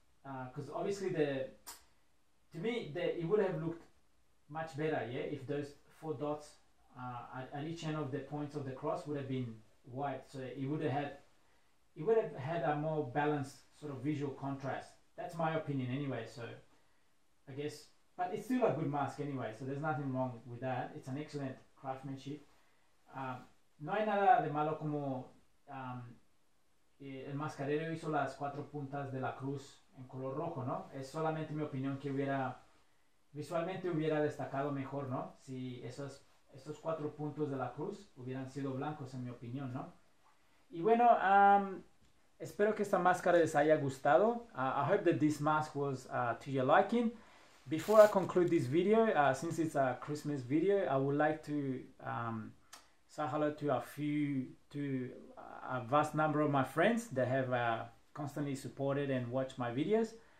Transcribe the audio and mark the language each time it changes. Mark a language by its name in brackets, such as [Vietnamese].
[English] Because obviously, to me, it would have looked much better, yeah, if those four dots at each end of the points of the cross would have been white. So it would have had a more balanced sort of visual contrast. That's my opinion anyway. So I guess But it's still a good mask anyway, so there's nothing wrong with that. It's an excellent craftsmanship. [Spanish] No hay nada de malo como el mascarero hizo las cuatro puntas de la cruz en color rojo, ¿no? Es solamente mi opinión que hubiera, visualmente hubiera destacado mejor, ¿no? Si estos cuatro puntos de la cruz hubieran sido blancos, en mi opinión, ¿no? Y bueno, espero que esta máscara les haya gustado. [English] I hope that this mask was to your liking. Before I conclude this video, since it's a Christmas video, I would like to say hello to a vast number of my friends that have constantly supported and watched my videos.